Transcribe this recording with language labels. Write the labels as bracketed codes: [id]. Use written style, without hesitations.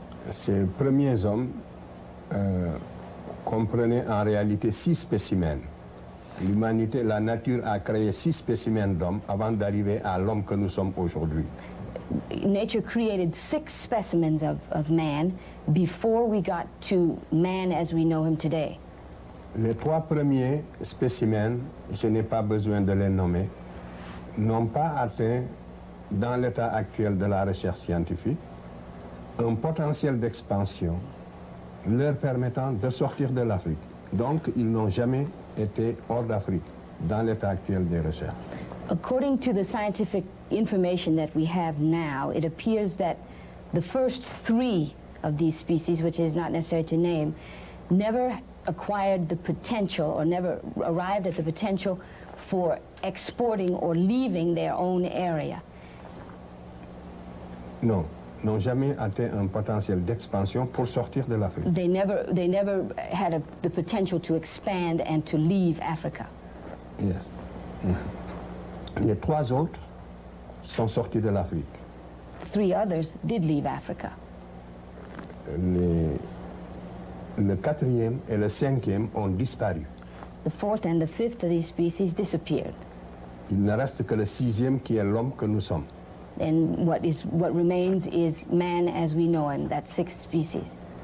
[fr] Ces premiers hommes comprenaient en réalité six spécimens. L'humanité, la nature a créé six spécimens d'hommes avant d'arriver à l'homme que nous sommes aujourd'hui. [en] Nature created six specimens of man before we got to man as we know him today. [fr] Les trois premiers spécimens, je n'ai pas besoin de les nommer, n'ont pas atteint, dans l'état actuel de la recherche scientifique, un potentiel d'expansion leur permettant de sortir de l'Afrique. Donc, ils n'ont jamais été hors d'Afrique dans l'état actuel des recherches. [en] According to the scientific information that we have now, it appears that the first three of these species, which is not necessary to name, never acquired the potential or never arrived at the potential for exporting or leaving their own area. No. [fr] N'ont jamais atteint un potentiel d'expansion pour sortir de l'Afrique. [en] They never had the potential to expand and to leave Africa. Yes. [fr] Les trois autres sont sortis de l'Afrique. [en] Three others did leave Africa. [fr] Le quatrième et le cinquième ont disparu. [en] The fourth and the fifth of these species disappeared. [fr] Il ne reste que le sixième qui est l'homme que nous sommes. [en] then what remains is man as we know him, that sixth species.